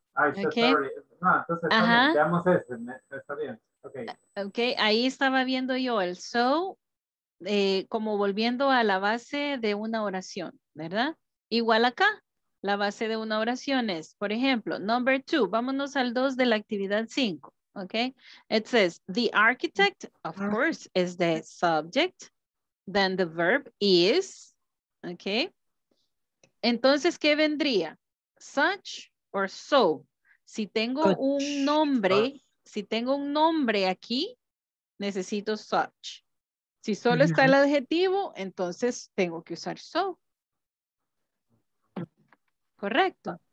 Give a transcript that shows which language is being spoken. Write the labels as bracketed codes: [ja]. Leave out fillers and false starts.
[es] Ah, okay. Entonces, veamos ese, está bien. Okay. Ok, ahí estaba viendo yo el so, como volviendo a la base de una oración, ¿verdad? Igual acá, la base de una oración es, por ejemplo, [en] number two, [es] vámonos al dos de la actividad cinco. [en] Okay, it says the architect, of course, is the subject, then the verb is, okay. [es] Entonces, ¿qué vendría? Such or so. Si tengo un nombre, si tengo un nombre aquí, necesito such. Si solo está el adjetivo, entonces tengo que usar so. Correcto.